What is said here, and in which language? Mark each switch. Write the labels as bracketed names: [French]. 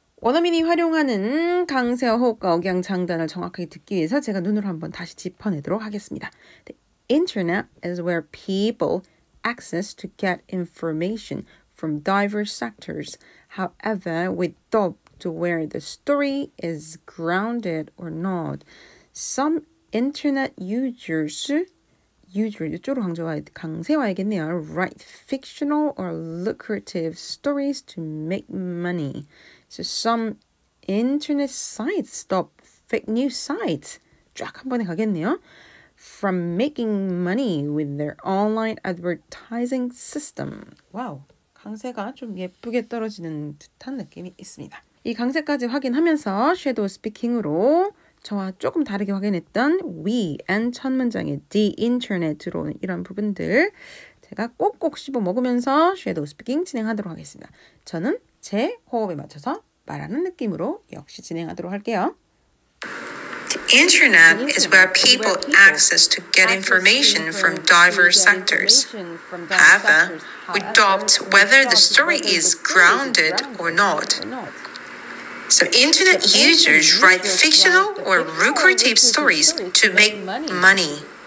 [Korean] 원어민이 활용하는 강세어 호흡과 억양장단을 정확하게 듣기 위해서 제가 눈으로 한번 다시 짚어내도록 하겠습니다. [English] The internet is where people access to get information from diverse sectors. However, we doubt where the story is grounded or not. Some internet users, [Korean] user 강세어야겠네요. [English] Write fictional or lucrative stories to make money. So some internet sites, stop fake news sites, [Korean] 쫙 한 번에 가겠네요. [English] From making money with their online advertising system. [Korean] 와우, 강세가 좀 예쁘게 떨어지는 듯한 느낌이 있습니다. 이 강세까지 확인하면서 shadow speaking으로 저와 조금 다르게 확인했던 we and 첫 문장의 the internet 들어오는 이런 부분들 제가 꼭꼭 씹어 먹으면서 shadow speaking 진행하도록 하겠습니다. 저는 제 호흡에 맞춰서 말하는 느낌으로 역시 진행하도록 할게요. [English] The internet is where people access to get information from diverse sectors. However, we doubt whether the story is grounded or not. So internet users write fictional or lucrative stories to make money.